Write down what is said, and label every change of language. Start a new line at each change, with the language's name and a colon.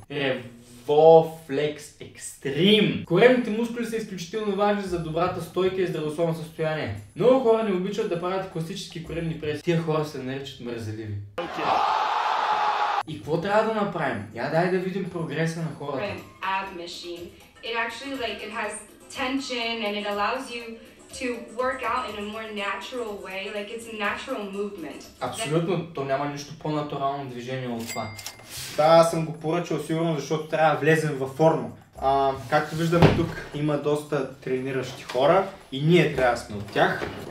English: RevoFlex Extreme.
Bulgarian: Коремните мускули са изключително важни за добрата стойка и здравословно състояние. Много хора не обичат да правят класически коремни преси. Тия хора се наричат мразеливи. И какво трябва да направим? Я дай да видим прогреса на хората.
English: Machine. It actually like it has tension and it allows you to work out in a more natural way, like it's a natural movement.
Bulgarian: Абсолютно, то няма нищо по-натурално движение от това. Да, съм го поръчал сигурно, защото трябва да влезем във форма. Както виждаме тук, има доста трениращи хора и ние трябва да сме от тях.